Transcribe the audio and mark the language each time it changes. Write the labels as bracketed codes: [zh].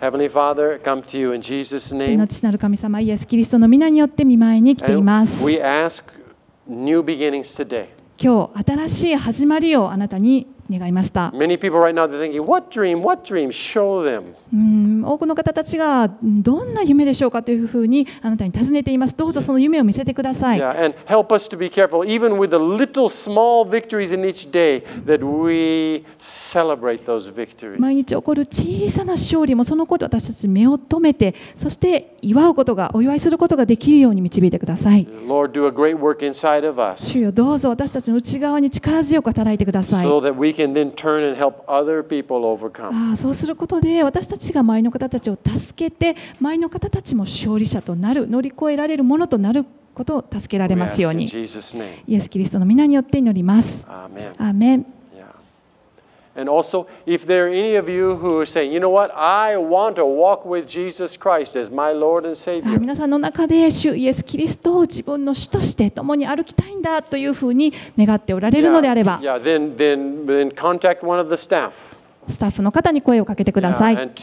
[en] Heavenly Father, come to you in Jesus' name. [ja] 天の父なる神様、イエス・キリストの御名によって御前に来ています。 [en] And we ask new beginnings today. [ja] 今日、新しい始まりをあなたに願いました。 [en] Many people right now they're thinking, what dream? What dream? Show them. [ja] 多くの方たちがどんな夢でしょうかというふうにあなたに尋ねています。どうぞその夢を見せてください。 [en] Yeah, and help us to be careful, even with the little small victories in each day, that we celebrate those victories. [ja] 毎日起こる小さな勝利もそのことを私たち目を留めて、そして祝うことがお祝いすることができるように導いてください。 [en] Lord, do a great work inside of us. [ja] 主よ、どうぞ私たちの内側に力強く働いてください。 [en] So that we can then turn and help other people overcome. [ja] ああ、そうすることで私たちが周りの方たちを助けて、周りの方たちも勝利者となる、乗り越えられるものとなることを助けられますように。イエス・キリストの御名によって祈ります。アーメン。 [en] And also, if there are any of you who are saying, you know what, I want to walk with Jesus Christ as my Lord and Savior. [ja] 皆さんの中で主イエス・キリストを自分の主として共に歩きたいんだというふうに願っておられるのであれば、 [en] then contact one of the staff. [ja] スタッフの方に声をかけてください。